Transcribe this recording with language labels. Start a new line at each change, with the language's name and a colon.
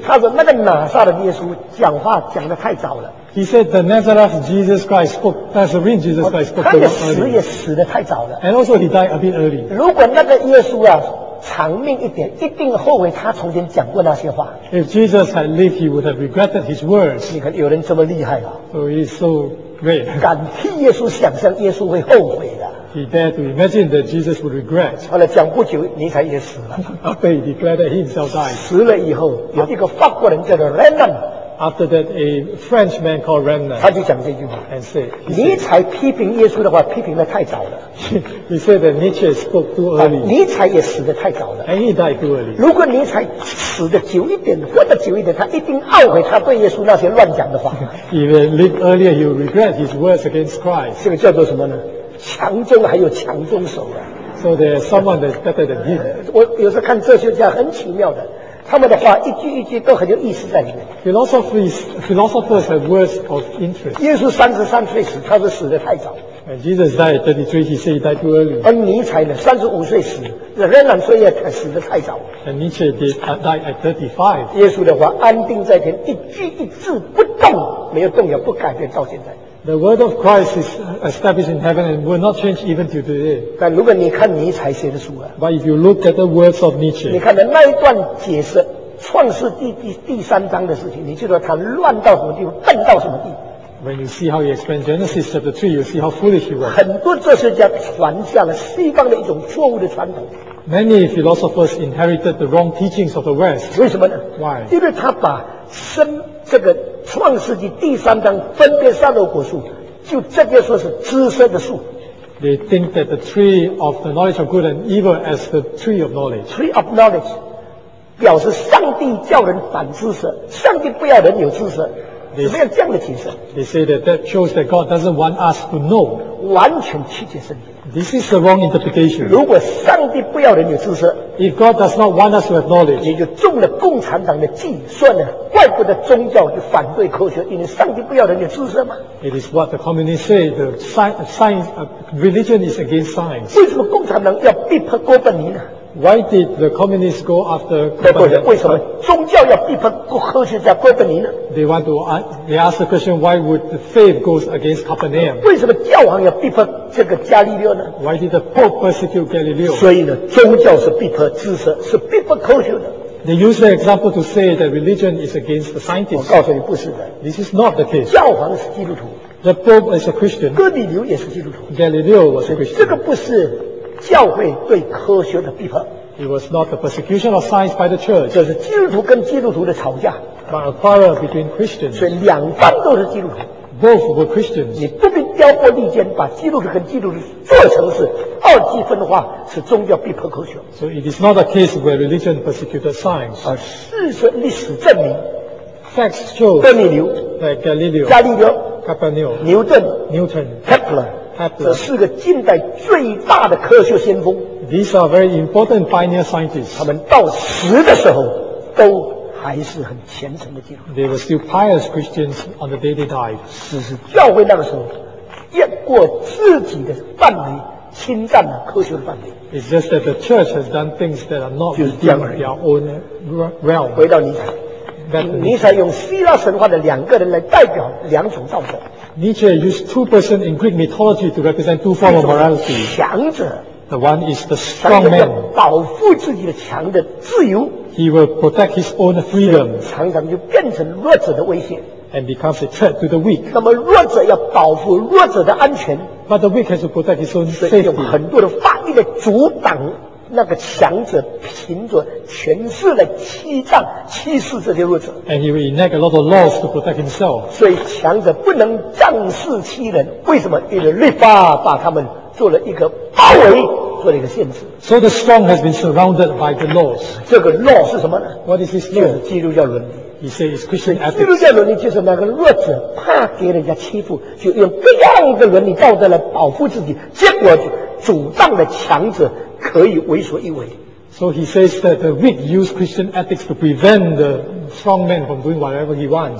Chinese: 他说那个拿撒勒的耶稣讲话讲得太早了。
English: He said the Nazareth Jesus Christ spoke. Nazarene Jesus Christ spoke too early.
Chinese: 他的死也死得太早了。
English: And also he died a bit early.
Chinese: 如果那个耶稣啊长命一点，一定后悔他从前讲过那些话。
English: If Jesus had lived, he would have regretted his words.
Chinese: 你看有人这么厉害啊。
English: So he's so great.
Chinese: 敢替耶稣想象耶稣会后悔的。
English: He dared to imagine that Jesus would regret.
Chinese: 后来讲不久，尼采也死了。
English: After he declared that he himself died.
Chinese: 死了以后，有一个法国人叫做 Renan.
English: After that, a Frenchman called Renan.
Chinese: 他就讲这句话。
English: And said,
Chinese: 尼采批评耶稣的话批评得太早了。
English: He said that Nietzsche spoke too early.
Chinese: 尼采也死得太早了。
English: And he died too early.
Chinese: 如果尼采死得久一点，活得久一点，他一定懊悔他对耶稣那些乱讲的话。
English: If he lived earlier, he would regret his words against Christ.
Chinese: 这个叫做什么呢？强中还有强中手啊
English: ！So there's someone that's better than him.
Chinese: 我有时候看哲学家很奇妙的，他们的话一句一句都很有意思在里面。
English: Philosophers have words of interest.
Chinese: 耶稣33岁死，他是死得太早。
English: And Jesus died 33. He said he died too early.
Chinese: 而尼采呢，35岁死，仍然说也死得太早。
English: And Nietzsche died at 35.
Chinese: 耶稣的话安定在天，一句一字不动，没有动摇，不改变，到现在。
English: The word of Christ is established in heaven and will not change even till today.
Chinese: 但如果你看尼采写的书啊
English: ，But if you look at the words of Nietzsche,
Chinese: 你看的那一段解释《创世纪》第三章的事情，你就说他乱到什么地方，笨到什么地。
English: When you see how he explains Genesis chapter 3, you see how foolish he was.
Chinese: 很多哲学家传下了西方的一种错误的传统。
English: Many philosophers inherited the wrong teachings of the West.
Chinese: 为什么呢
English: ？Why?
Chinese: 因为他把生这个创世纪第三章分别善恶果树，就这个说是知识的树。
English: They think that the tree of the knowledge of good and evil as the tree of knowledge. Tree of knowledge
Chinese: 表示上帝叫人反知识，上帝不要人有知识，怎么样这样的解释
English: ？They say that that shows that God doesn't want us to know.
Chinese: 完全曲解圣经。
English: This is the wrong interpretation.
Chinese: 如果上帝不要人有知识
English: ，If God does not want us to have knowledge，
Chinese: 你就中了共产党的计算了。怪不得宗教就反对科学，因为上帝不要人有知识嘛。
English: It is what the communists say. The science, religion is against science.
Chinese: 为什么共产党要逼迫哥本尼呢
English: ？Why did the communists go after？
Chinese: 为什么宗教要逼迫科学家哥本尼呢
English: They ask the question, why would the faith go against Copernicus？
Chinese: 为什么教皇要逼迫这个伽利略呢
English: ？Why did the Pope persecute Galileo？
Chinese: 所以呢，宗教是逼迫知识，是逼迫科学的。
English: They use the example to say that religion is against the scientists.
Chinese: 我告诉你不是的。
English: This is not the case.
Chinese: 教皇是基督徒。
English: The Pope is a Christian.
Chinese: 哥里流也是基督徒。
English: Galileo was a Christian.
Chinese: 这个不是教会对科学的逼迫。
English: It was not the persecution of science by the church.
Chinese: 就是基督徒跟基督徒的吵架。
English: But a quarrel between Christians.
Chinese: 所以两方都是基督徒。
English: Both were Christians.
Chinese: 你不必挑拨离间，把基督徒跟基督徒做成是二极分化，是宗教逼迫科学。
English: So it is not a case where religion persecuted science.
Chinese: 而事实历史证明
English: ，facts show.
Chinese: 哥里流
English: ，Galileo.
Chinese: 伽利略
English: ，Copernicus.
Chinese: 牛顿
English: ，Newton. Kepler. Kepler.
Chinese: 这四个近代最大的科学先锋。
English: These are very important pioneer scientists.
Chinese: 他们到死的时候都。还是很虔诚的基督徒。
English: They were still pious Christians on the day they died.
Chinese: 只是教会那个时候，越过自己的范围，侵占了科学的范围。
English: It's just that the church has done things that are not within their own realm.
Chinese: 回到尼采，尼采用希腊神话的两个人来代表两种道德。
English: Nietzsche used two persons in Greek mythology to represent two forms of morality.
Chinese: 强者。
English: The one is the strong man.
Chinese: 保护自己的强的自由。
English: He will protect his own freedom.
Chinese: 常常就变成弱者的威胁。
English: and becomes a threat to the weak.
Chinese: 那么弱者要保护弱者的安全。
English: But the weak has to protect his own safety.
Chinese: 用很多的法律来阻挡那个强者凭着权势来欺诈欺世这些弱者。
English: And he will enact a lot of laws to protect himself.
Chinese: 所以强者不能仗势欺人，为什么？因为律法把他们做了一个包围，做了一个限制。
English: So the strong has been surrounded by the laws.
Chinese: 这个 law 是什么呢？
English: What is this law?
Chinese: 就是基督教伦理。
English: He says it's Christian ethics.
Chinese: 基督教伦理就是那个弱者怕给人家欺负，就用各样的伦理道德来保护自己，结果就阻挡了强者可以为所欲为。
English: So he says that the weak use Christian ethics to prevent the strong man from doing whatever he wants.